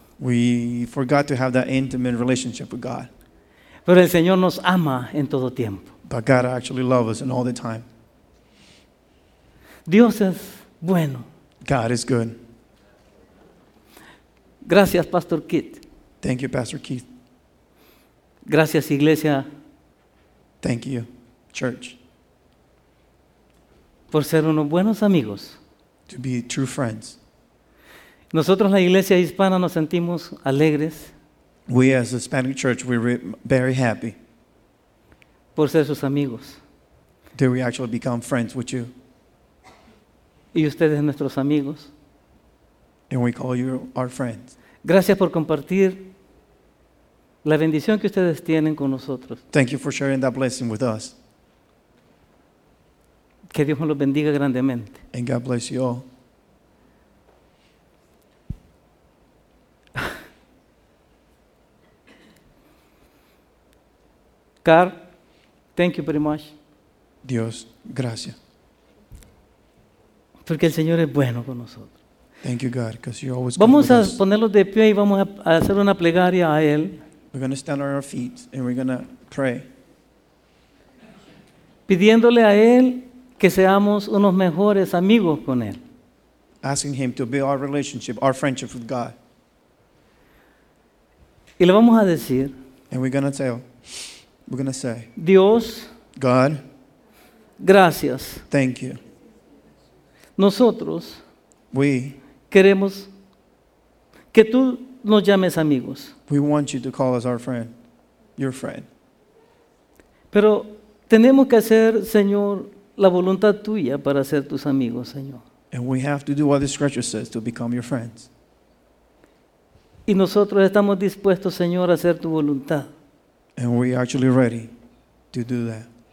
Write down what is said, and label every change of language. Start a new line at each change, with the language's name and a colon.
English: We forgot to have that intimate relationship with God.
Spanish: Pero el Señor nos ama en todo tiempo.
English: But God actually loves us in all the time.
Spanish: Dios es bueno.
English: God is good.
Spanish: Gracias, Pastor Keith.
English: Thank you, Pastor Keith.
Spanish: Gracias, iglesia.
English: Thank you, church.
Spanish: Por ser unos buenos amigos.
English: To be true friends.
Spanish: Nosotros, la iglesia hispana, nos sentimos alegres.
English: We as a Hispanic church, we're very happy.
Spanish: Por ser sus amigos.
English: Do we actually become friends with you?
Spanish: Y ustedes nuestros amigos.
English: And we call you our friends.
Spanish: Gracias por compartir la bendición que ustedes tienen con nosotros.
English: Thank you for sharing that blessing with us.
Spanish: Que Dios los bendiga grandemente.
English: And God bless you all. Carl, thank you very much.
Spanish: Dios, gracias. Porque el Señor es bueno con nosotros.
English: Thank you, God, because you're always
Spanish: vamos
English: good with us.
Spanish: Ponerlos de pie y vamos a hacer una plegaria a Él.
English: We're going to stand on our feet and we're going to pray.
Spanish: Pidiéndole a Él que seamos unos mejores amigos con Él.
English: Asking Him to build our relationship, our friendship with God.
Spanish: Y le vamos a decir.
English: And we're going to tell. We're going to say.
Spanish: Dios.
English: God.
Spanish: Gracias.
English: Thank you.
Spanish: Nosotros
English: we
Spanish: queremos que tú nos llames amigos.
English: We want you to call us our friend, your friend.
Spanish: Pero tenemos que hacer, Señor, la voluntad tuya para ser tus amigos, Señor.
English: And we have to do what the scripture says to become your friends.
Spanish: Y nosotros estamos dispuestos, Señor, a hacer tu voluntad.
English: And we are actually ready to do that.